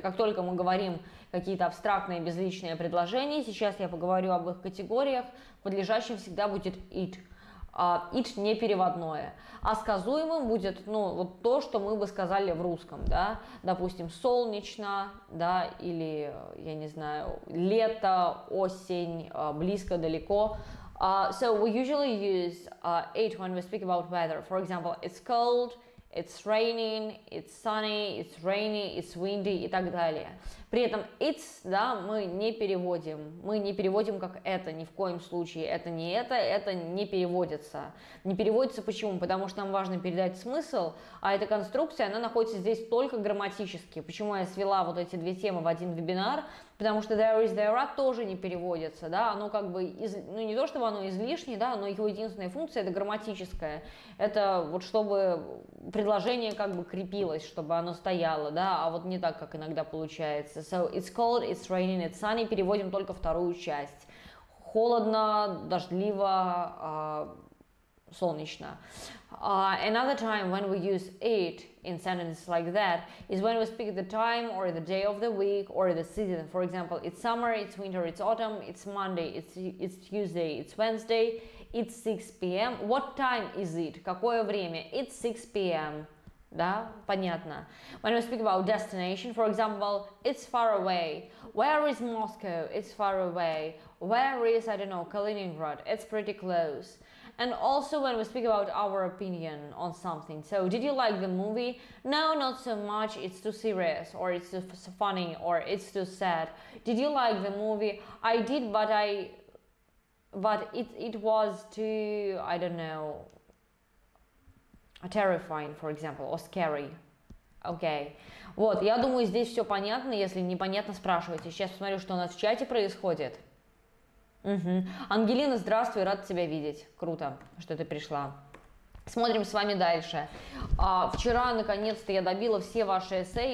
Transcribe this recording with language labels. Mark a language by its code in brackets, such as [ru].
[ru] Как только мы говорим какие-то абстрактные безличные предложения, сейчас я поговорю об их категориях, подлежащим всегда будет it. It не переводное. А сказуемым будет, ну, вот то, что мы бы сказали в русском, да? Допустим, солнечно, да, или, я не знаю, лето, осень, близко, далеко. [en] So we usually use it when we speak about weather. For example, it's cold, it's raining, it's sunny, it's rainy, it's windy [ru] и так далее. При этом it's, да, мы не переводим. Мы не переводим как это ни в коем случае. Это не это, это не переводится. Не переводится почему? Потому что нам важно передать смысл, а эта конструкция, она находится здесь только грамматически. Почему я свела вот эти две темы в один вебинар? Потому что there is, there are тоже не переводится, да, оно как бы, из, ну не то чтобы оно излишнее, да, но его единственная функция это грамматическая. Это вот чтобы предложение как бы крепилось, чтобы оно стояло, да, а вот не так, как иногда получается. [en] So it's cold, it's raining, it's sunny, [ru] переводим только вторую часть. Холодно, дождливо, солнечно. [en] Another time when we use it in sentences like that is when we speak the time or the day of the week or the season. For example, it's summer, it's winter, it's autumn, it's Monday, it's Tuesday, it's Wednesday, it's 6 p.m. What time is it? [ru] Какое время? [en] It's 6 p.m. [ru] Да, понятно. [en] When we speak about destination, for example, it's far away. Where is Moscow? It's far away. Where is, I don't know, Kaliningrad? It's pretty close. And also when we speak about our opinion on something. So, did you like the movie? No, not so much. It's too serious, or it's too funny, or it's too sad. Did you like the movie? I did, but it was too, I don't know, terrifying, for example, or scary. [ru] Окей. Вот, я думаю, здесь все понятно. Если непонятно, спрашивайте. Сейчас посмотрю, что у нас в чате происходит. Угу. Ангелина, здравствуй, рад тебя видеть. Круто, что ты пришла. Смотрим с вами дальше. Вчера, наконец-то, я добила все ваши эссе.